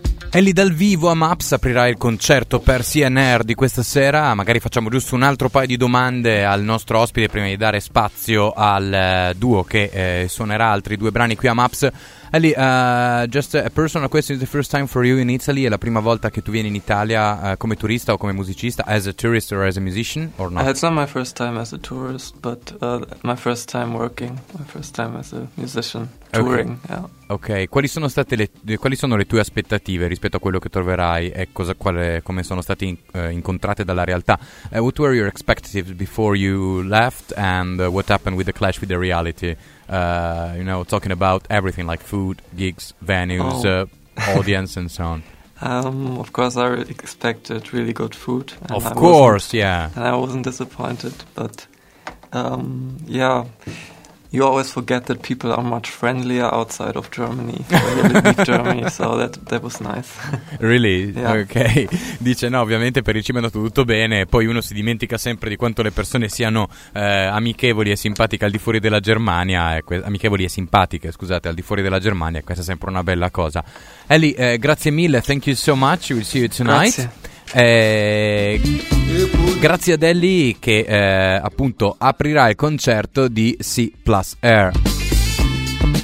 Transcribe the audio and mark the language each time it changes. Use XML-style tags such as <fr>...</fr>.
<it>Ellie dal vivo a MAPS aprirà il concerto per CNR di questa sera. Magari facciamo giusto un altro paio di domande al nostro ospite prima di dare spazio al duo che suonerà altri due brani qui a MAPS.</it> <en>Ellie, just a personal question, is the first time for you in Italy?</en> <it>È la prima volta che tu vieni in Italia come turista o come musicista?</it> <en>As a tourist or as a musician or not? It's not my first time as a tourist, but my first time working, my first time as a musician, touring.</en> <it>Ok, quali sono state quali sono le tue aspettative rispetto a quello che troverai e come sono state incontrate dalla realtà?</it> <en>What were your expectations before you left and what happened with the clash with the reality? You know, talking about everything like food, gigs, venues, audience and so on. Of course I expected really good food. And of course, yeah. And I wasn't disappointed, but yeah. You always forget that people are much friendlier outside of Germany. Germany, so that was nice. Really? Yeah. Okay.</en> <it>Dice no, ovviamente per il cibo è andato tutto bene, poi uno si dimentica sempre di quanto le persone siano amichevoli e simpatiche al di fuori della Germania, amichevoli e simpatiche, scusate, al di fuori della Germania, questa è sempre una bella cosa.</it> <en>Ellie,</en> <it>grazie mille,</it> <en>thank you so much, we'll see you tonight.</en> <it>Grazie. Grazie ad Ellie che appunto aprirà il concerto di C+R.</it>